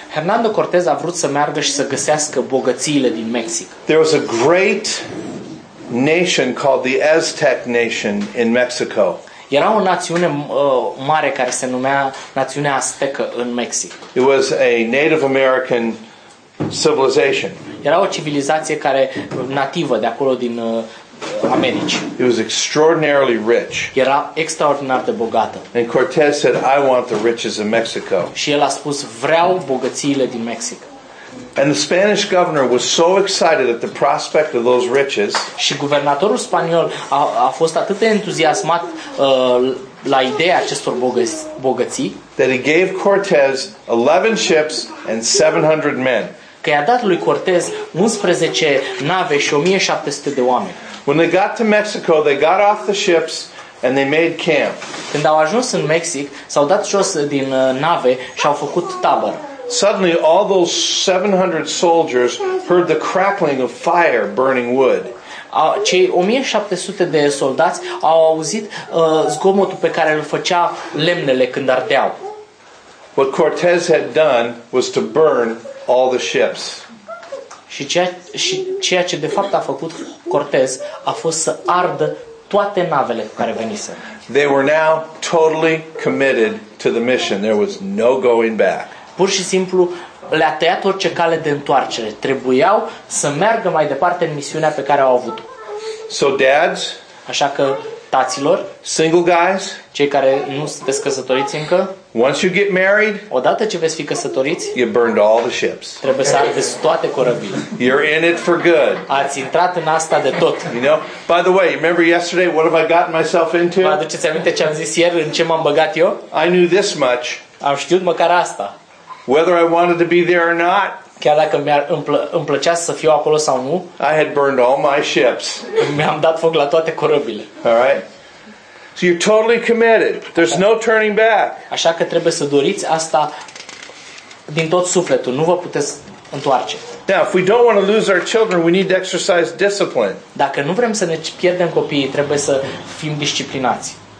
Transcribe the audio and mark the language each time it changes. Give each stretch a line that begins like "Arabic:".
Romanian: Hernando Cortez a vrut să meargă și să găsească bogățiile din Mexic.
English: There was a great nation called the Aztec nation in Mexico.
Romanian: Era o națiune mare care se numea Națiunea Aztecă în Mexic.
English: It was a Native American civilization.
Romanian: Era o civilizație care nativă de acolo din Americi.
English: It was extraordinarily rich.
Romanian: Era extraordinar de bogată.
English: And Cortez said, "I want the riches of Mexico."
Romanian: Și el a spus, "Vreau bogățiile din Mexic."
English: And the Spanish governor was so excited at the prospect of those riches.
Romanian: Și guvernatorul spaniol a fost atât de entuziasmat la ideea acestor bogății.
English: That he gave Cortez 11 ships and 700 men.
Romanian: Că i-a dat lui Cortez 11 nave și 1700 de oameni.
English: When they got to Mexico, they got off the ships and they made camp.
Romanian: Când au ajuns în Mexic, s-au dat jos din nave și au făcut tabără.
English: Suddenly, all those 700 soldiers heard the crackling of fire burning wood.
Romanian: Cei 1700 de soldați au auzit zgomotul pe care îl făcea lemnele când ardeau.
English: What Cortez had done was to burn all the ships.
Romanian: Și ceea ce de fapt a făcut Cortez a fost să ardă toate navele cu care venise.
English: They were now totally committed to the mission. There was no going back.
Romanian: Pur și simplu le-a tăiat orice cale de întoarcere. Trebuiau să meargă mai departe în misiunea pe care au avut-o.
English: So dads,
Romanian: așa că taților,
English: single guys,
Romanian: cei care nu sunteți căsătoriți încă,
English: once you get married,
Romanian: odată ce veți fi căsătoriți,
English: you burned all the ships.
Romanian: Trebuie să ardeți toate corăbile.
English: You're in it for good.
Romanian: Ați intrat în asta de tot.
English: You know? By the way, remember yesterday, what have I gotten myself into?
Romanian: Vă aduceți aminte ce am zis ieri, în ce m-am băgat eu?
English: I knew this much.
Romanian: Am știut măcar asta.
English: Whether I wanted to be there or not,
Romanian: chiar dacă îmi plăcea să fiu acolo sau nu,
English: I had burned all my ships.
Romanian: Mi-am dat foc la toate corăbile.
English: All right. So you're totally committed. There's no turning back.
Romanian: Așa că trebuie să doriți asta din tot sufletul. Nu vă puteți întoarce.
English: Now, if we don't want to lose our children, we need to exercise discipline.
Romanian: Dacă nu vrem să ne pierdem copiii, trebuie să fim disciplinați.